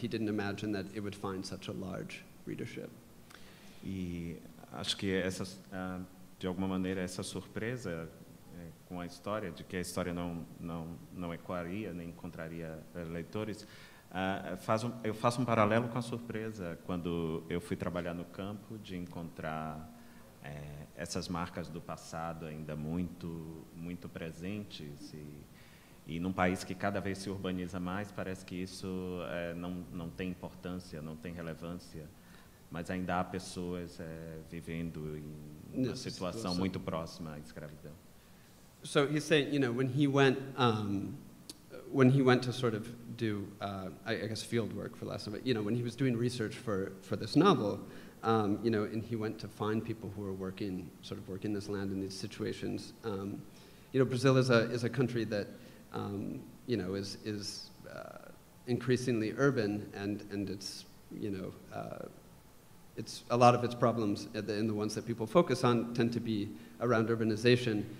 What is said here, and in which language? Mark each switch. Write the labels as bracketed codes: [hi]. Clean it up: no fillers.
[en] He didn't imagine that it would find such a large readership. [pt] E acho que essa, de alguma maneira, essa surpresa com a história, de que a história não ecoaria, nem encontraria leitores, eu faço um paralelo com a surpresa quando eu fui trabalhar no campo de encontrar essas marcas do passado ainda muito, muito presentes e num país que cada vez se urbaniza mais, parece que isso não tem importância, não tem relevância, mas ainda há pessoas vivendo em uma situação muito próxima à escravidão. [en] So he's saying, you know, when he went to sort of do, I guess, field work, for less of it, you know, when he was doing research for this novel, You know, and he went to find people who were working, sort of working this land in these situations. You know, Brazil is a country that, you know, is increasingly urban, and it's, you know, it's a lot of its problems in the ones that people focus on tend to be around urbanization.